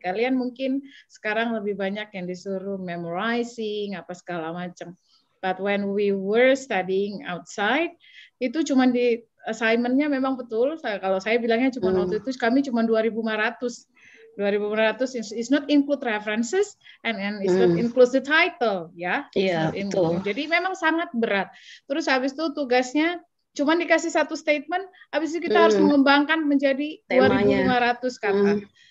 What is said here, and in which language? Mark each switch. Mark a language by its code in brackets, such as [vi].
[id] Kalian mungkin sekarang lebih banyak yang disuruh memorizing, apa segala macam. [en] But when we were studying outside, [id] itu cuma di assignment-nya memang betul. Kalau saya bilangnya cuma waktu itu, kami cuma 2.500. [en] 2.500 is not include references and is not include the title, ya. [id] Jadi memang sangat berat. Terus habis itu tugasnya cuma dikasih satu statement, habis itu kita harus mengembangkan menjadi 2.500 kata.